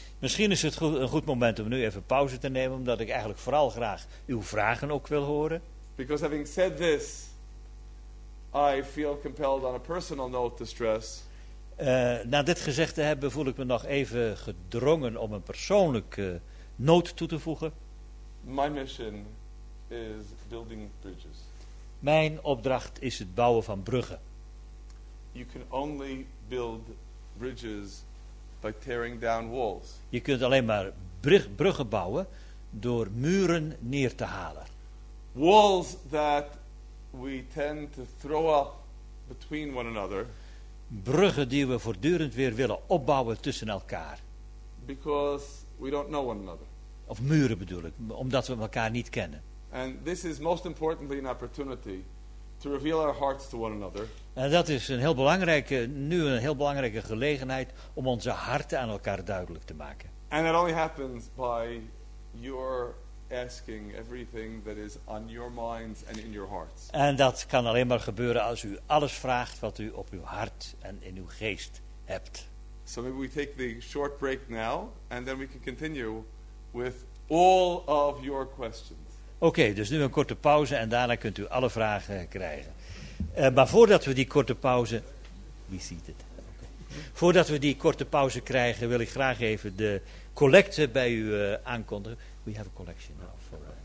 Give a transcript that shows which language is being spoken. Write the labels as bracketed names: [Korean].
[Dutch] Misschien is het een goed moment om nu even pauze te nemen, omdat ik eigenlijk vooral graag uw vragen ook wil horen. [English] Because having said this, I feel compelled on a personal note to stress. [Dutch] Na dit gezegd te hebben, voel ik me nog even gedrongen om een persoonlijke noot toe te voegen. [English] My mission is building bridges. [Dutch] Mijn opdracht is het bouwen van bruggen. [English] You can only build bridges by tearing down walls. [Dutch] Je kunt alleen maar bruggen bouwen door muren neer te halen. [English] Walls that we tend to throw up between one another. [Dutch] Bruggen die we voortdurend weer willen opbouwen tussen elkaar. [English] Because we don't know one another. [Dutch] Of muren bedoel ik, omdat we elkaar niet kennen. [English] And this is most importantly an opportunity to reveal our hearts to one another. [Dutch] En dat is een heel belangrijke, nu een heel belangrijke gelegenheid om onze harten aan elkaar duidelijk te maken. [English] And it only happens by your asking everything that is on your minds and in your hearts. [Dutch] En dat kan alleen maar gebeuren als u alles vraagt wat u op uw hart en in uw geest hebt. [English] So maybe we take the short break now and then we can continue with all of your questions. [Dutch] Oké, dus nu een korte pauze en daarna kunt u alle vragen krijgen. Maar voordat we die korte pauze... Wie ziet het? Voordat we die korte pauze krijgen, wil ik graag even de collecte bij u aankondigen. [English] We have a collection now.